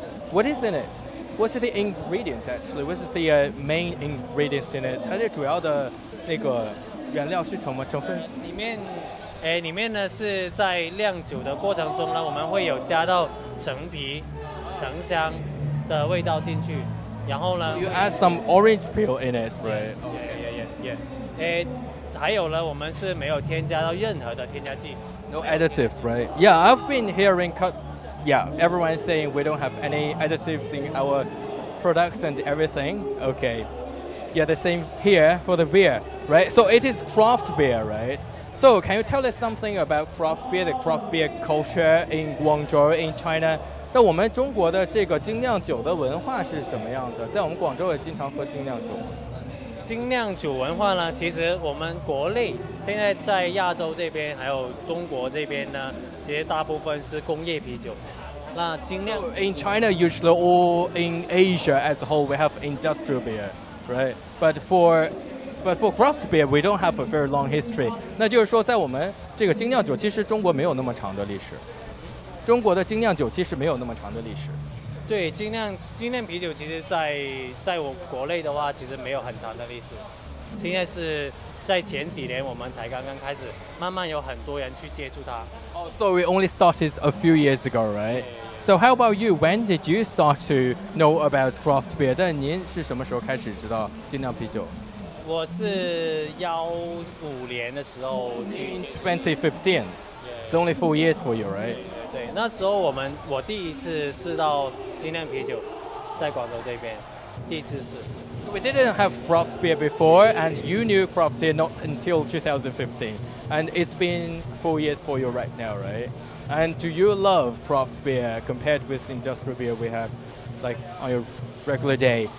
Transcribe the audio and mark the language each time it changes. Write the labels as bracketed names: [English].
[English] What is in it? What's the ingredient actually? What is the main ingredients in it? [Chinese] 它的主要的那个原料是什么成分？里面呢是在酿酒的过程中呢，我们会有加到橙皮、橙香的味道进去。然后呢 [English] ？You add some orange peel in it, right? Yeah. [Chinese] 还有呢，我们是没有添加到任何的添加剂。 [English] No additives, right? Yeah, I've been hearing, everyone saying we don't have any additives in our products and everything. Okay. Yeah, the same here for the beer, right? So it is craft beer, right? So can you tell us something about craft beer, the craft beer culture in Guangzhou in China? [Chinese] 那我们中国的这个精酿酒的文化是什么样的？在我们广州也经常喝精酿酒。精酿酒文化呢，其实我们国内现在在亚洲这边还有中国这边呢，其实大部分是工业啤酒。那精酿、 [English] so、in China usually or in Asia as a whole we have industrial beer, right? But for craft beer we don't have a very long history. [Chinese] 那就是说在我们这个精酿酒，其实中国没有那么长的历史。中国的精酿酒其实没有那么长的历史。对，精酿啤酒其实在我国内的话，其实没有很长的历史。现在是在前几年，我们才刚刚开始，慢慢有很多人去接触它。 [English] So we only started a few years ago, right? So how about you? When did you start to know about craft beer? [Chinese] 但您是什么时候开始知道精酿啤酒？我是2015年的时候去。 [English] 2015. It's only 4 years for you, right? [Chinese] 对，那时候我第一次试到精酿啤酒，在广州这边，第一次试。 [English] We didn't have craft beer before, and you knew craft beer not until 2015. And it's been 4 years for you right now, right? And do you love craft beer compared with industrial beer we have, like, on your regular day?